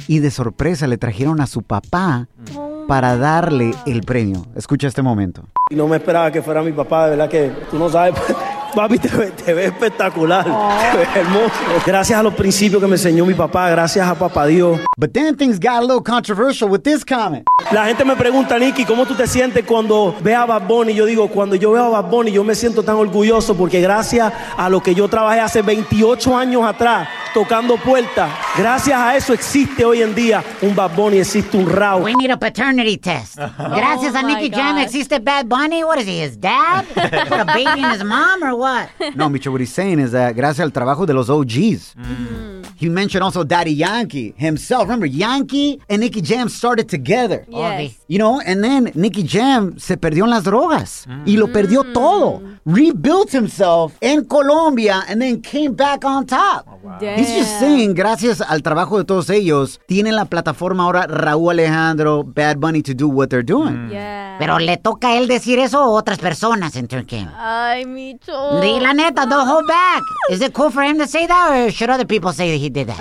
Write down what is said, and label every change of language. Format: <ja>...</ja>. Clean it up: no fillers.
<es>Y de sorpresa le trajeron a su papá para darle el premio. Escucha este momento. Y no me esperaba que fuera mi papá, de verdad que tú no sabes. Papi, te ves espectacular. Te ves hermoso. Gracias a los principios que me enseñó mi papá. Gracias a papá Dios.</es> <en>But then things got a little controversial with this comment.</en> <es>La gente me pregunta, Nicki, ¿cómo tú te sientes cuando ve a Bad Bunny? Yo digo, cuando yo veo a Bad Bunny, yo me siento tan orgulloso porque gracias a lo que yo trabajé hace 28 años atrás, tocando puertas, gracias a eso existe hoy en día un Bad Bunny, existe un Rao.</es> <en>We need a paternity test.</en> <es>Gracias a Nicki Jam existe Bad Bunny.</es> <en>What is he, his dad? Put a baby in his mom or what? No, Micho, what he's saying is that</en> <es>gracias al trabajo de los OGs.</es> <en>Mm-hmm. He mentioned also Daddy Yankee himself. Remember, Yankee and Nicki Jam started together. Yes. You know, and then</en> <es>Nicki Jam se perdió en las drogas. Mm. Y lo perdió todo.</es> <en>Rebuilt himself in Colombia and then came back on top. Oh, wow. He's just saying,</en> <es>gracias al trabajo de todos ellos, tienen la plataforma ahora Raúl Alejandro, Bad Bunny</es> <en>to do what they're doing. Mm. Yeah.</en> <es>Pero le toca a él decir eso a otras personas en Turn Game. Ay, Micho. De la neta,</es> <en>don't hold back. Is it cool for him to say that or should other people say that he did that?</en>